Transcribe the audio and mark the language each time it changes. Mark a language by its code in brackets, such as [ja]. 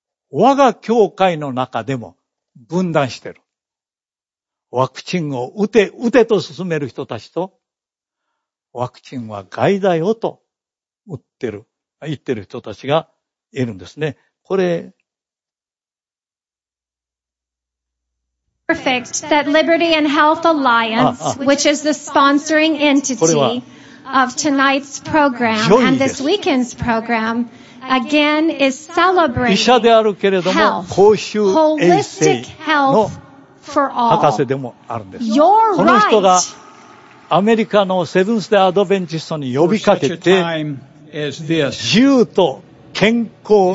[ja] 我が教会の中でも分断している。ワクチンを打てと進める人たちと、ワクチンは害だよと言ってる人たちがいるんですね。これ、 [en] Perfect that Liberty and Health Alliance, which is the sponsoring entity of tonight's program and this weekend's program, again is celebrating health, holistic health for all. Your right. [ja] アメリカのセブンスデーアドベンチストに呼びかけて、自由と健康